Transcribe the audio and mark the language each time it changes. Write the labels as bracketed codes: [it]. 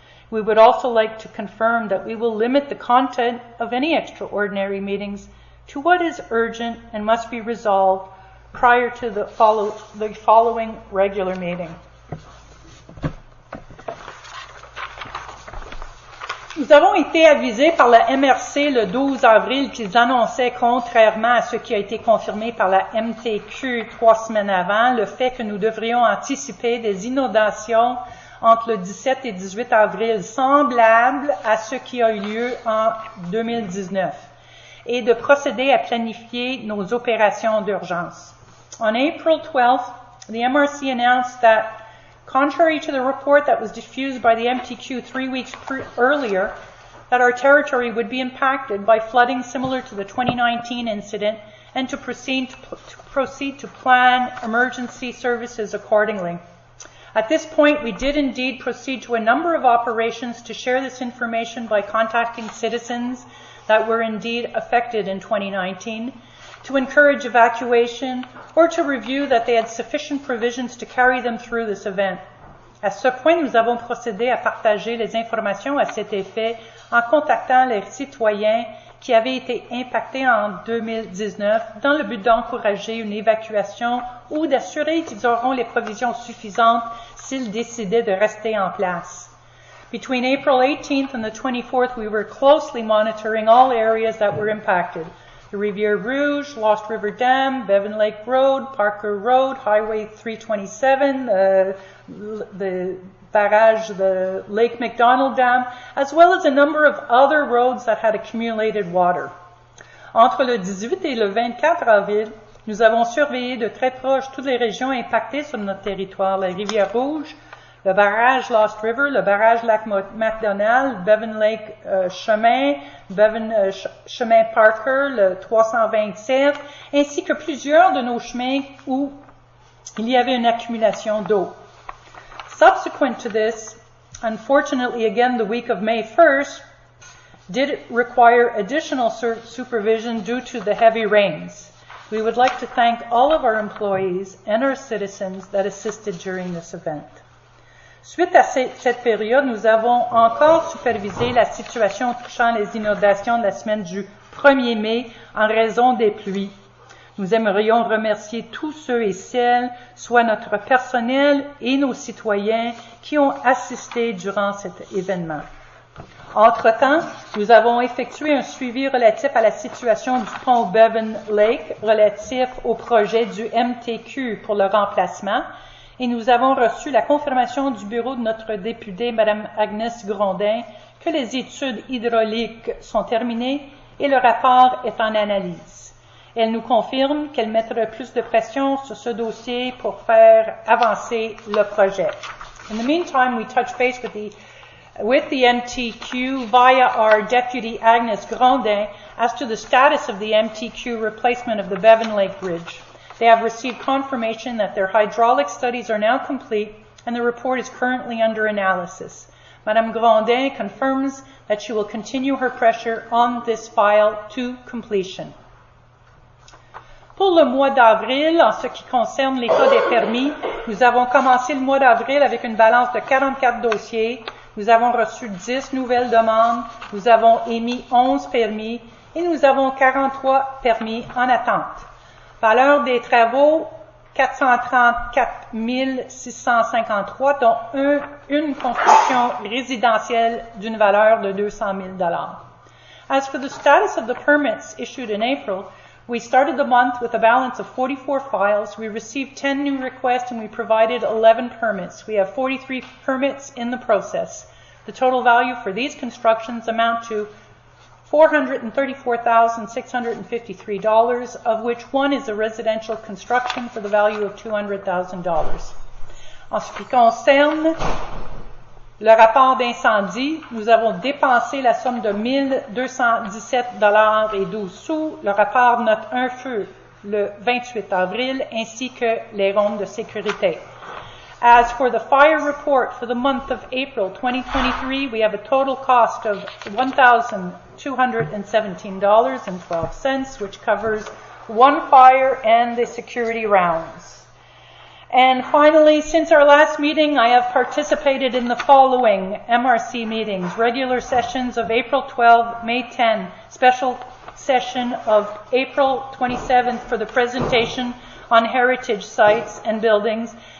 [en] We would also like to confirm that we will limit the content of any extraordinary meetings to what is urgent and must be resolved prior to the following regular meeting. [fr] Nous Nous avons été avisés par la MRC le 12 avril qu'ils annonçaient, contrairement à ce qui a été confirmé par la MTQ trois semaines avant, le fait que nous devrions anticiper des inondations entre le 17 et 18 avril, semblables à ce qui a eu lieu en 2019, et de procéder à planifier nos opérations d'urgence. [en] On April 12th, the MRC announced that, contrary to the report that was diffused by the MTQ 3 weeks earlier, that our territory would be impacted by flooding similar to the 2019 incident and to proceed to plan emergency services accordingly. At this point, we did indeed proceed to a number of operations to share this information by contacting citizens that were indeed affected in 2019, to encourage evacuation, or to review that they had sufficient provisions to carry them through this event. [fr] À ce point, nous avons procédé à partager les informations à cet effet en contactant les citoyens qui avaient été impactés en 2019 dans le but d'encourager une évacuation ou d'assurer qu'ils auront les provisions suffisantes s'ils décidaient de rester en place. [en] Between April 18th and the 24th, we were closely monitoring all areas that were impacted. The Riviere Rouge, Lost River Dam, Bevan Lake Road, Parker Road, Highway 327, the barrage, the Lake McDonald Dam, as well as a number of other roads that had accumulated water. [fr] Entre le 18 et le 24 avril, nous avons surveillé de très proche toutes les régions impactées sur notre territoire, la Riviere Rouge, le barrage Lost River, le barrage Lac McDonald, Bevan Lake Chemin, Bevan Chemin Parker, le 327, ainsi que plusieurs de nos chemins où il y avait une accumulation d'eau. [en] Subsequent to this, unfortunately again the week of May 1st, did require additional supervision due to the heavy rains. We would like to thank all of our employees and our citizens that assisted during this event. [fr] Suite à cette période, nous avons encore supervisé la situation touchant les inondations de la semaine du 1er mai en raison des pluies. Nous aimerions remercier tous ceux et celles, soit notre personnel et nos citoyens, qui ont assisté durant cet événement. Entre-temps, nous avons effectué un suivi relatif à la situation du pont Bevan Lake, relatif au projet du MTQ pour le remplacement, et nous avons reçu la confirmation du bureau de notre députée, Mme Agnès Grondin, que les études hydrauliques sont terminées et le rapport est en analyse. Elle nous confirme qu'elle mettra plus de pression sur ce dossier pour faire avancer le projet. [en] In the meantime, we touch base with the MTQ via our deputy Agnès Grondin as to the status of the MTQ replacement of the Bevan Lake Bridge. They have received confirmation that their hydraulic studies are now complete and the report is currently under analysis. Madame Grondin confirms that she will continue her pressure on this file to completion. [fr] Pour le mois d'avril, en ce qui concerne l'état des permis, nous avons commencé le mois d'avril avec une balance de 44 dossiers. Nous avons reçu 10 nouvelles demandes, nous avons émis 11 permis et nous avons 43 permis en attente. Valeur des travaux, 434 653, dont une construction résidentielle d'une valeur de 200 000 $. [en] As for the status of the permits issued in April, we started the month with a balance of 44 files. We received 10 new requests and we provided 11 permits. We have 43 permits in the process. The total value for these constructions amount to $434,653, of which one is a residential construction for the value of $200,000. [fr] En ce qui concerne le rapport d'incendie, nous avons dépensé la somme de $1,217.12, le rapport note un feu le 28 avril, ainsi que les rondes de sécurité. [en] As for the fire report for the month of April 2023, we have a total cost of $1,217.12, which covers one fire and the security rounds. And finally, since our last meeting, I have participated in the following MRC meetings, regular sessions of April 12, May 10, special session of April 27 for the presentation on heritage sites and buildings,